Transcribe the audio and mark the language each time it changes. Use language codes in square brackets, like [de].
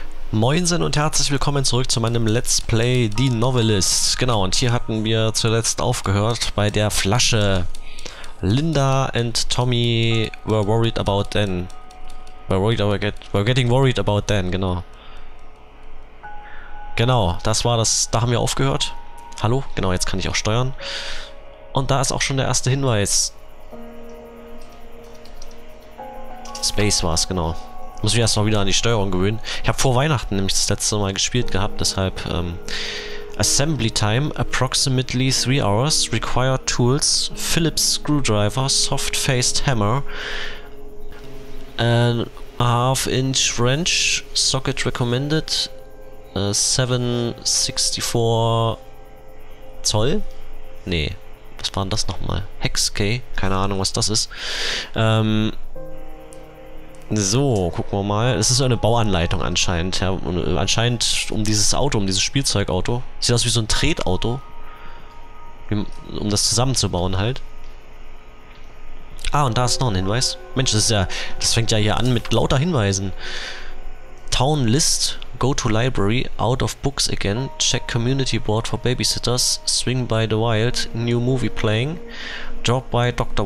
[de] Moinsen und herzlich willkommen zurück zu meinem Let's Play The Novelist. Genau, und hier hatten wir zuletzt aufgehört bei der Flasche. [en] Linda and Tommy were worried about Dan. Were getting worried about Dan, genau. [de] Genau, das war das, da haben wir aufgehört. Hallo, genau, jetzt kann ich auch steuern. Und da ist auch schon der erste Hinweis. Space war es, genau. Muss ich erst mal wieder an die Steuerung gewöhnen. Ich habe vor Weihnachten nämlich das letzte Mal gespielt gehabt, deshalb [en] Assembly Time, approximately 3 hours, required tools, Phillips Screwdriver, soft-faced hammer, an half-inch wrench, socket recommended, 764 Zoll? [de] Nee, was waren das nochmal? Hex K? Keine Ahnung, was das ist. So, gucken wir mal. Es ist so eine Bauanleitung anscheinend. Ja, anscheinend um dieses Auto, um dieses Spielzeugauto. Sieht aus wie so ein Tretauto. Um das zusammenzubauen halt. Ah, und da ist noch ein Hinweis. Mensch, das ist ja. Das fängt ja hier an mit lauter Hinweisen. [en] Town List, go to library, out of books again, check community board for babysitters, swing by the wild, new movie playing, drop by Dr.